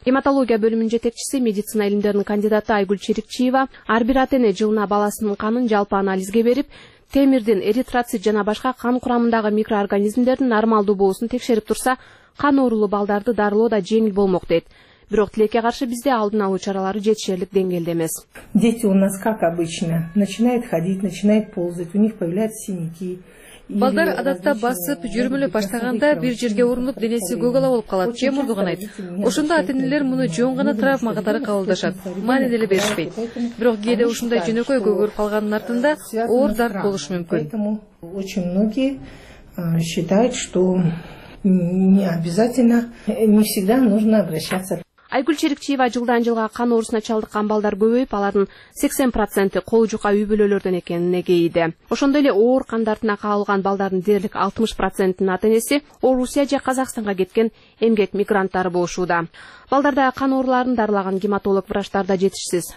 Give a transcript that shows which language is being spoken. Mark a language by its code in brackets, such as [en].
[ky] Гематология бөлүмүнүн жетекчиси, медицина илимдеринин кандидаты Айгүл Черикчиева ар бир ата эне жылына баласынын канын жалпы анализге берип темирдин, эритроцит жана башка кан курамындагы микроорганизмдердин нормалдуу болуусун текшерип турса, кан оорулуу балдарды дарылоо да жеңил болмок дейт. Бирок тилекке каршы бизде алдын алуу чаралары жетишерлик деңгээлде эмес. [ru] Дети у нас как обычно, начинает ходить, начинает ползать, у них появляются синяки. [ky] Балдар адатта басып, жүрмөлөп баштаганда бир жерге урунуп денеси көгала болуп калат, же мурдуганайт. Ошондо ата-энелер муну жөн гана травма катары кабылдашат, маани деле беришпейт. Бирок кээде ушундай жөнөкөй көгөрүп калганын артында оор дарт болушу мүмкүн. [ru] Очень многие считают, что не обязательно, не всегда нужно обращаться. [ky] Айгүл Черикчиева жылдан жылга кан оорусуна чалдыккан балдар көбөйүп, алардын 80% кол жука үй бүлөлөрдөн экенин эгейиде. Ошондой эле оор кан дартына кабылган балдардын дээрлик 60%нын ата энеси Орусия же Казакстанга кеткен эмгек мигранттары болушууда. Балдардагы кан ооруларын дарылаган гематолог врачтар да жетишсиз.